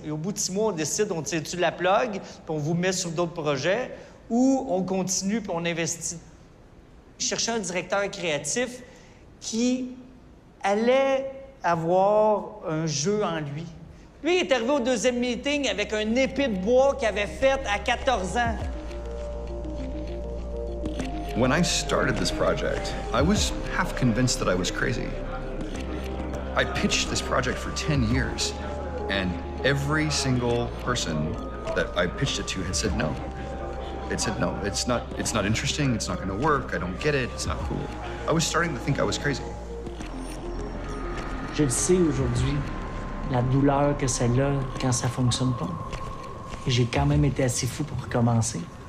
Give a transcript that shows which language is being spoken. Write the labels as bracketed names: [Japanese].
[French] Et au bout de 6 mois, on décide, on tire-tu la plug, puis on vous met sur d'autres projets, ou on continue, puis on investit. Je cherchais un directeur créatif qui allait avoir un jeu en lui. Lui, il est arrivé au deuxième meeting avec un épée de bois qu'il avait faite à 14 ans. [English] When I started this project, I was half convinced that I was crazy. I pitched this project for 10 years, and every single person that I pitched it to had said no. It said, no, it's not interesting, it's not gonna work, I don't get it, it's not cool. I was starting to think I was crazy. [French] Je le sais aujourd'hui, la douleur que c'est là quand ça fonctionne pas. J'ai quand même été assez fou pour recommencer.